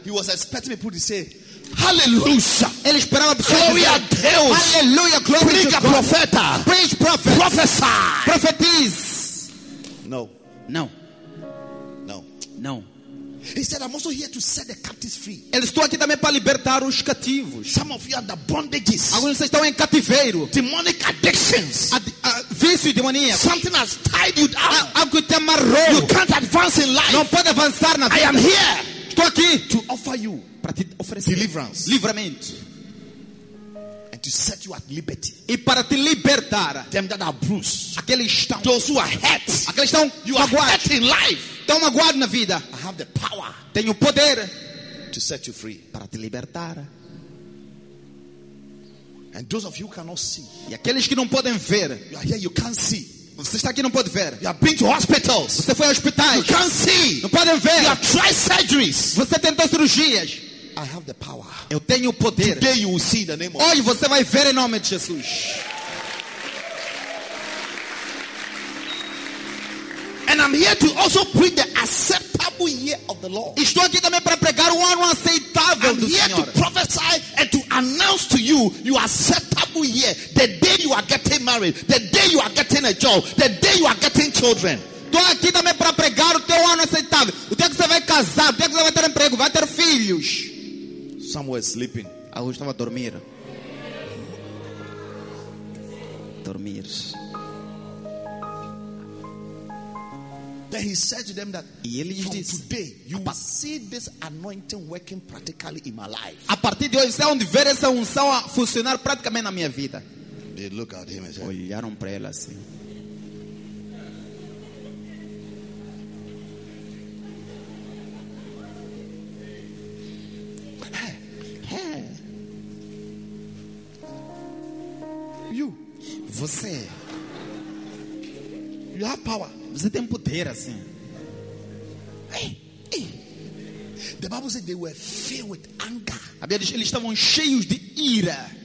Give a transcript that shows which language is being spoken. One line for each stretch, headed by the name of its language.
English: He was expecting people to say, Hallelujah!
Portuguese: Ele esperava glória a Deus.
English: Hallelujah! Glory preach to a
Portuguese: Profeta.
English: Preach prophet. Prophesy. Prophetize. No. No. No. No. He said, "I'm also here to set the captives free."
Portuguese: Ele estou aqui também para libertar os cativos.
English: Some of you are under bondages.
Portuguese: Alguns de vocês estão em cativeiro.
English: Demonic addictions.
Portuguese: Vício demoníaco.
English: Something has tied you down.
Portuguese: Algo te amarrou.
English: You can't advance in life.
Portuguese: Não pode avançar na vida.
English: I am here.
Portuguese: Estou aqui
English: to offer you.
Portuguese: Para te oferecer
English: deliverance,
Portuguese: livramento,
English: and to set you at liberty,
Portuguese: e para te libertar,
English: them that are bruised,
Portuguese: aqueles estão,
English: those who are hurt,
Portuguese: aqueles estão,
English: you are hurt in life,
Portuguese: estão magoados na vida,
English: I have the power,
Portuguese: tenho poder,
English: to set you free,
Portuguese: para te libertar,
English: and those of you who cannot see,
Portuguese: e aqueles que não podem ver,
English: you are here, you can't see.
Portuguese: Você está aqui, não pode ver.
English: You have been to hospitals.
Portuguese: Você foi a hospitais.
English: You can't see.
Portuguese: Não podem ver.
English: You have tried surgeries.
Portuguese: Você tentou cirurgias.
English: I have the power.
Portuguese: Eu tenho o poder.
English: Today you will see the name of.
Portuguese: Hoje você vai ver em nome de Jesus.
English: And I'm here to also preach the acceptable year of the Lord.
Portuguese: Estou aqui também para pregar o ano aceitável do Senhor.
English: I'm here to prophesy and to announce to you your acceptable year. The day you are getting married, the day you are getting a job, the day you are getting children.
Portuguese: Estou aqui também para pregar o teu ano aceitável. O dia que você vai casar, o dia que você vai ter emprego, vai ter filhos.
English: Some were sleeping.
Portuguese: Alguns estavam a dormir. Dormir.
English: Then he said to them that
Portuguese: e ele
English: from
Portuguese: disse,
English: today you will see this anointing working practically in my life.
Portuguese: A partir de hoje você vai ver essa unção a funcionar praticamente na minha vida.
English: They look at him and said,
Portuguese: olharam para ele assim. Hey.
English: You.
Portuguese: Você.
English: You have power.
Portuguese: Você tem poder assim. Hey, hey.
English: The Bible said they were filled with anger.
Portuguese: A Bíblia diz que eles estavam cheios de ira.